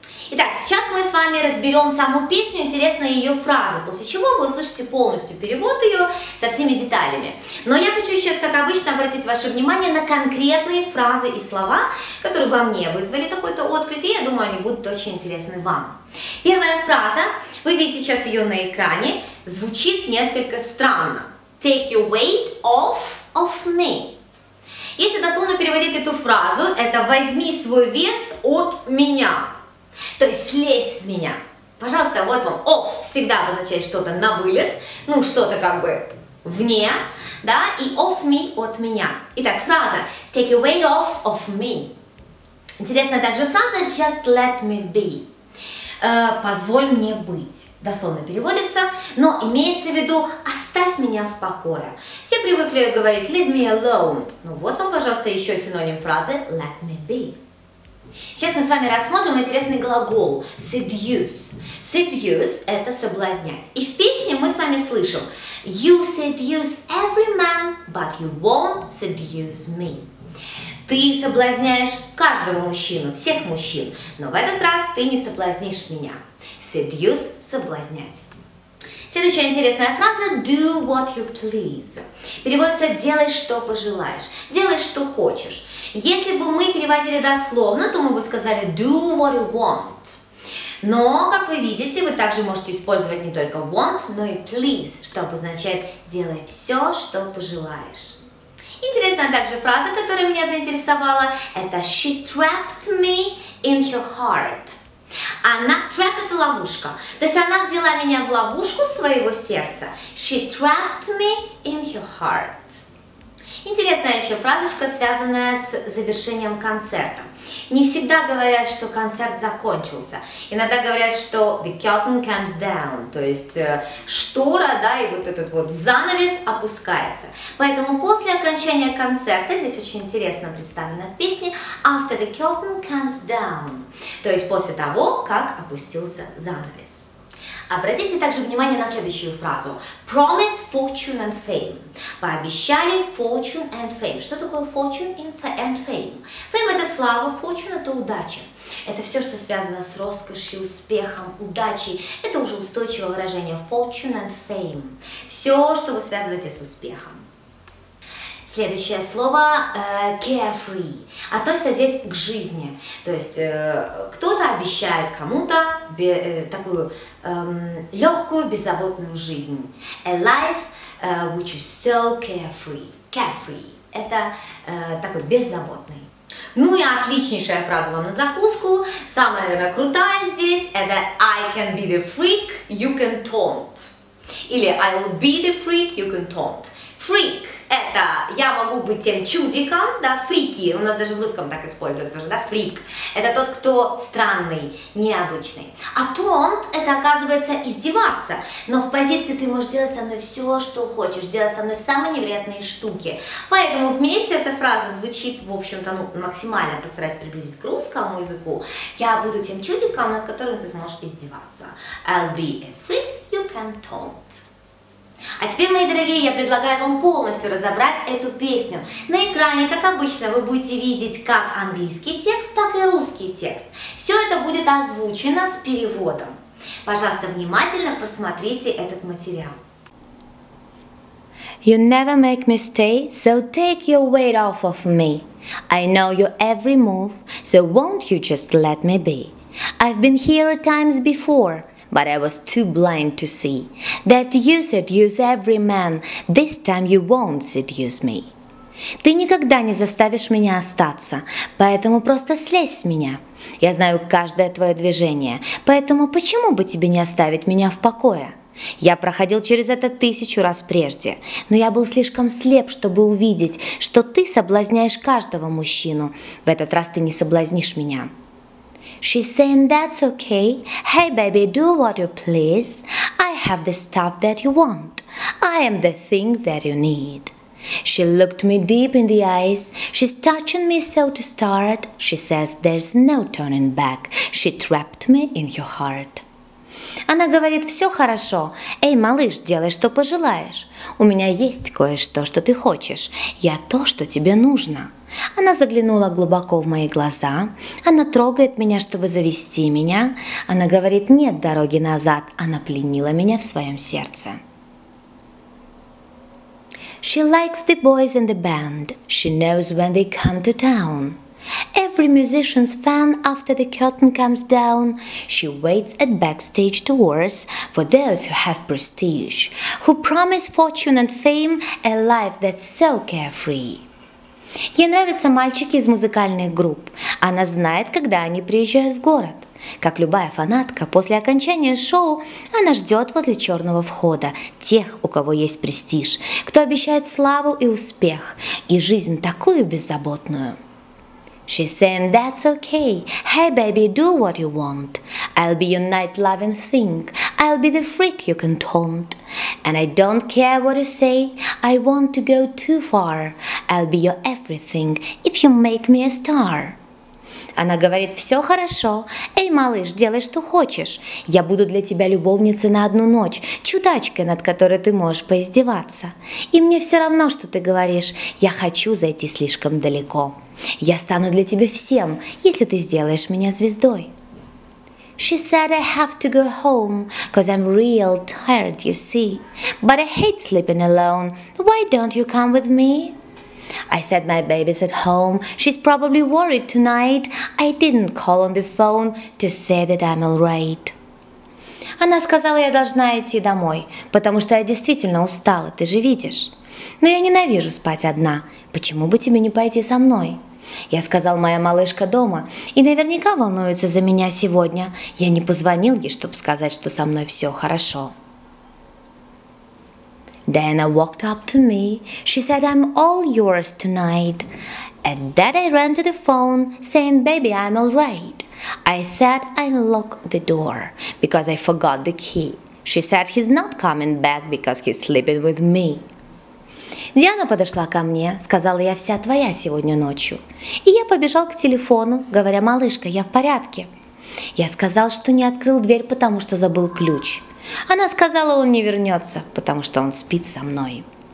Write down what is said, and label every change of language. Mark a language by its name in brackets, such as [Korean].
[Russian] Итак, сейчас мы с вами разберем саму песню, интересные ее фразы, после чего вы услышите полностью перевод ее со всеми деталями. Но я хочу сейчас, как обычно, обратить ваше внимание на конкретные фразы и слова, которые во мне вызвали какой-то отклик, и я думаю, они будут очень интересны вам. Первая фраза, вы видите сейчас ее на экране, звучит несколько странно. [English] Take your weight off of me. [Russian] Если дословно переводить эту фразу, это «возьми свой вес от меня». То есть слезь с меня. Пожалуйста, вот вам off всегда обозначает что-то на вылет, ну что-то как бы вне, да, и off me от меня. Итак, фраза [English] take your weight off of me. [Russian] Интересная также фраза [English] just let me be. [Russian] «позволь мне быть», дословно переводится, но имеется в виду «оставь меня в покое». Все привыкли говорить [English] «leave me alone», [Russian] ну вот вам, пожалуйста, еще синоним фразы [English] «let me be». [Russian] Сейчас мы с вами рассмотрим интересный глагол «seduce». «Seduce» – это «соблазнять». И в песне мы с вами слышим [English] «you seduce every man, but you won't seduce me». [Russian] Ты соблазняешь каждого мужчину, всех мужчин, но в этот раз ты не соблазнишь меня. Seduce – соблазнять. Следующая интересная фраза [English] – do what you please. [Russian] Переводится «делай, что пожелаешь», «делай, что хочешь». Если бы мы переводили дословно, то мы бы сказали [English] «do what you want». [Russian] Но, как вы видите, вы также можете использовать не только want, но и please, что обозначает «делай все, что пожелаешь». Интересная также фраза, которая меня заинтересовала, это [English] «she trapped me in her heart». [Russian] Она «trap» — это ловушка, то есть она взяла меня в ловушку своего сердца. [English] «She trapped me in her heart». [Russian] Интересная еще фразочка, связанная с завершением концерта. Не всегда говорят, что концерт закончился. Иногда говорят, что [English] «the curtain comes down», [Russian] то есть штора, да, и вот этот вот занавес опускается. Поэтому после окончания концерта, здесь очень интересно представлено в песне, [English] «after the curtain comes down», [Russian] то есть после того, как опустился занавес. Обратите также внимание на следующую фразу. [English] Promise fortune and fame. [Russian] Пообещали [English] fortune and fame. [Russian] Что такое [English] fortune and fame? [Russian] Fame – это слава, fortune – это удача. Это все, что связано с роскошью, успехом, удачей. Это уже устойчивое выражение fortune and fame. Все, что вы связываете с успехом. Следующее слово carefree относится здесь к жизни. То есть кто-то обещает кому-то такую легкую, беззаботную жизнь. [English] A life which is so carefree. [Russian] Carefree – это такой беззаботный. Ну и отличнейшая фраза вам на закуску. Самая, наверное, крутая здесь – это [English] I can be the freak, you can taunt. [Russian] Или [English] I will be the freak, you can taunt. [Russian] Freak – это я могу быть тем чудиком, да, фрики, у нас даже в русском так используется уже, да, фрик. Это тот, кто странный, необычный. А taunt – это, оказывается, издеваться, но в позиции ты можешь делать со мной все, что хочешь, делать со мной самые невероятные штуки. Поэтому вместе эта фраза звучит, в общем-то, ну, максимально постараюсь приблизить к русскому языку. Я буду тем чудиком, над которым ты сможешь издеваться. [English] I'll be a freak, you can taunt. [Russian] А теперь, мои дорогие, я предлагаю вам полностью разобрать эту песню. На экране, как обычно, вы будете видеть как английский текст, так и русский текст. Все это будет озвучено с переводом. Пожалуйста, внимательно посмотрите этот материал. [English] You never make me stay, so take your weight off of me. I know your every move, so won't you just let me be? I've been here times before. But I was too blind to see that you seduce every man. This time you won't seduce me. [Russian] Ты никогда не заставишь меня остаться, поэтому просто слезь с меня. Я знаю каждое твое движение, поэтому почему бы тебе не оставить меня в покое? Я проходил через это 1000 раз прежде, но я был слишком слеп, чтобы увидеть, что ты соблазняешь каждого мужчину. В этот раз ты не соблазнишь меня. [English] She's saying that's okay, hey baby, do what you please, I have the stuff that you want, I am the thing that you need. She looked me deep in the eyes, she's touching me so to start, she says there's no turning back, she trapped me in her heart. [Russian] Она говорит, все хорошо, эй, малыш, делай, что пожелаешь, у меня есть кое-что, что ты хочешь, я то, что тебе нужно. Она заглянула глубоко в мои глаза, она трогает меня, чтобы завести меня, она говорит, нет дороги назад, она пленила меня в своем сердце. [English] She likes the boys in the band, she knows when they come to town. Every musician's fan after the curtain comes down. She waits at backstage doors for those who have prestige, who promise fortune and fame, a life that's so carefree. [Russian] Ей нравятся мальчики из музыкальных групп. Она знает, когда они приезжают в город. Как любая фанатка, после окончания шоу она ждет возле черного входа тех, у кого есть престиж, кто обещает славу и успех, и жизнь такую беззаботную. [English] She's saying, that's okay. Hey, baby, do what you want. I'll be your night loving thing. I'll be the freak you can taunt. And I don't care what you say, I want to go too far. I'll be your everything if you make me a star. [Russian] Она говорит: «Все хорошо. Эй, малыш, делай, что хочешь. Я буду для тебя любовницей на одну ночь, чудачкой, над которой ты можешь поиздеваться. И мне все равно, что ты говоришь, я хочу зайти слишком далеко. Я стану для тебя всем, если ты сделаешь меня звездой». [English] She said I have to go home, 'cause I'm real tired, you see. But I hate sleeping alone, why don't you come with me? I said my baby's at home, she's probably worried tonight. I didn't call on the phone to say that I'm all right. [Russian] Она сказала, я должна идти домой, потому что я действительно устала, ты же видишь. Но я ненавижу спать одна, почему бы тебе не пойти со мной? Я сказал, моя малышка дома и наверняка волнуется за меня сегодня. Я не позвонил ей, чтобы сказать, что со мной все хорошо. [English] Diana walked up to me. She said, I'm all yours tonight. At that I ran to the phone, saying, baby, I'm all right. I said, I locked the door, because I forgot the key. She said, he's not coming back, because he's sleeping with me. [Russian] Диана подошла ко мне, сказала, я вся твоя сегодня ночью. И я побежал к телефону, говоря, малышка, я в порядке. Я сказал, что не открыл дверь, потому что забыл ключ. Она сказала, он не вернется, потому что он спит со мной.